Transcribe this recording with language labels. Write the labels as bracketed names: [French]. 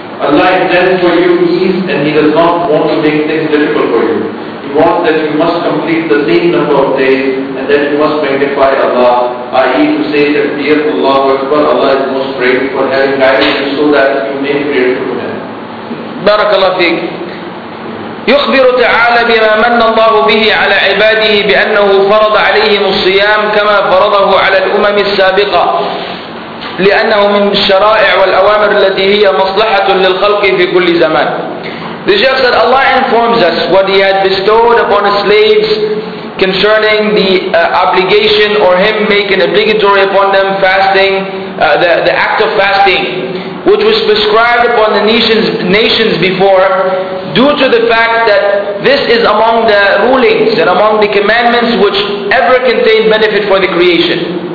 [English] Allah intends for you ease, and He does not want to make things difficult for you. He wants that you must complete the same number of days, and that you must magnify Allah, i.e. to say that fear Allah, whatever Allah is most great for having guided you so that you may be grateful to Him. [Arabic] Barakallah fiqh. يخبر تعالى بما من الله به على عباده بأنه فرض عليهم الصيام كما فرضه على الأمم السابقة لأنه من الشرائع والأوامر التي هي مصلحة للخلق في كل زمان. [English] The Shaykh said, Allah informs us what He had bestowed upon His slaves concerning the obligation or Him making obligatory upon them fasting, the act of fasting, which was prescribed upon the nations before, due to the fact that this is among the rulings and among the commandments which ever contained benefit for the creation.